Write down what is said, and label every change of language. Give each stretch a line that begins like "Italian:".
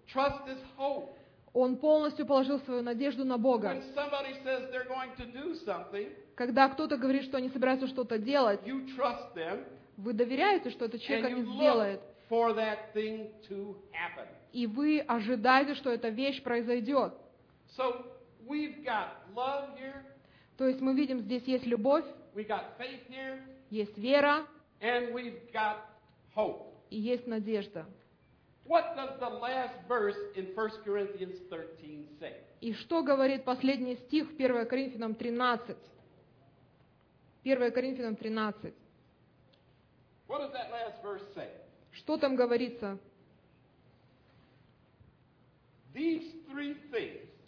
English: Trust is hope.
Russian: Он полностью положил свою надежду на Бога.
English: When somebody says they're going to do something,
Russian: когда кто-то говорит, что они собираются что-то делать,
English: you trust them,
Russian: вы доверяете, что этот человек
English: and you
Russian: это сделает.
English: Look for that thing to happen.
Russian: И вы ожидаете, что эта вещь произойдет.
English: So we've got love here.
Russian: То есть мы видим, здесь есть любовь.
English: We got faith here.
Russian: Есть вера.
English: And we've got hope.
Russian: И есть надежда.
English: What does the last verse in 1 Corinthians 13 say?
Russian: И что говорит последний стих в 1 Коринфянам 13? 1 Коринфянам 13.
English: What does that last verse say?
Russian: Что там говорится?
English: These three things.